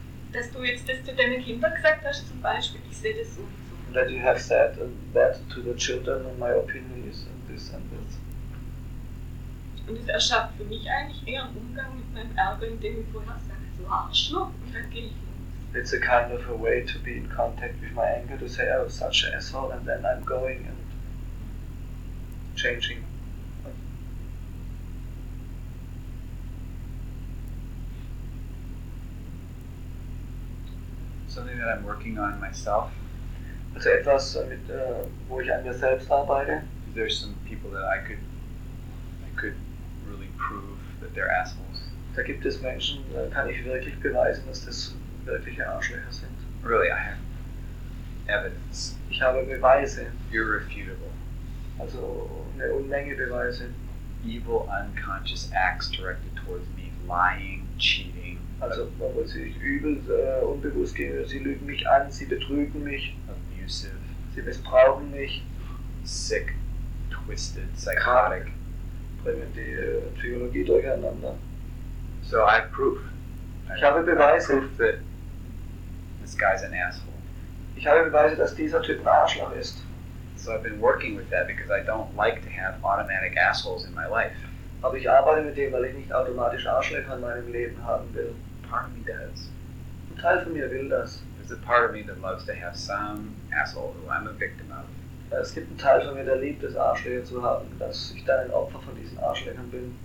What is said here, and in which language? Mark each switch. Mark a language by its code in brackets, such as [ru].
[de] Dass du jetzt das zu deinen Kindern gesagt hast, zum Beispiel, ich sehe das so und so. [en] That you have said that to the children, and my opinion is this and this. [de] Und das erschafft für mich eigentlich eher einen Umgang mit meinem Ärger, indem ich vorher sage, so Arschloch, und dann gehe ich los. [en] It's a kind of a way to be in contact with my anger, to say I was such an asshole, and then I'm going and changing. Something that I'm working on myself. [de] Also etwas, wo ich an mir selbst arbeite. [en] There's some people that I could really prove that they're assholes. [de] Da gibt es Menschen, da kann ich wirklich beweisen, dass das wirkliche Arschlöcher sind. [en] Really, I have evidence. [de] Ich habe Beweise. [en] Irrefutable. [de] Also eine Unmenge Beweise. [en] Evil, unconscious acts directed towards me, lying, cheating. [de] Also man muss sich übel unbewusst gehen, sie lügen mich an, sie betrügen mich. [en] Abusive. [de] Sie missbrauchen mich. [en] Sick, twisted, psychotic. [de] Bringen die Psychologie durcheinander. [en] So I have proof. [de] Ich habe Beweise. [en] I have proof that this guy's an asshole. [de] Ich habe Beweise, dass dieser Typ ein Arschloch ist. [en] So I've been working with that because I don't like to have automatic assholes in my life. [de] Aber ich arbeite mit dem, weil ich nicht automatisch Arschlöcher in meinem Leben haben will. [en] Part of me does. [de] Ein Teil von mir will das. [en] There's a part of me that loves to have some asshole who I'm a victim of. [de] Es gibt einen Teil von mir, der liebt es, Arschlöcher zu haben, dass ich dann ein Opfer von diesen Arschlöchern bin.